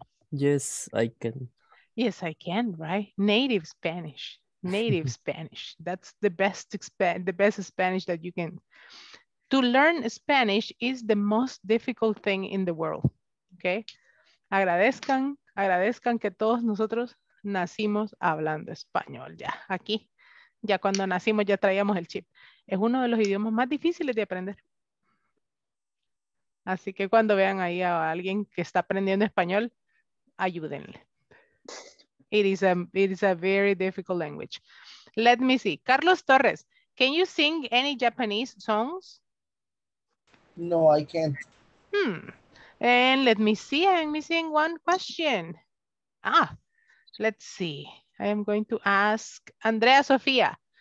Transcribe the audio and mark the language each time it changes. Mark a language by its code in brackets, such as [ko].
[en] Yes, I can. Yes, I can, right? Native Spanish. Native Spanish. That's the best Spanish that you can. To learn Spanish is the most difficult thing in the world, okay? [es] Agradezcan que todos nosotros nacimos hablando español ya. Aquí, ya cuando nacimos ya traíamos el chip. Es uno de los idiomas más difíciles de aprender. Así que cuando vean ahí a alguien que está aprendiendo español, ayúdenle. [en] It is a very difficult language. Let me see. Carlos Torres, can you sing any Japanese songs? No, I can't. Hmm. And let me see. I'm missing one question. Ah, let's see. I am going to ask Andrea Sofia.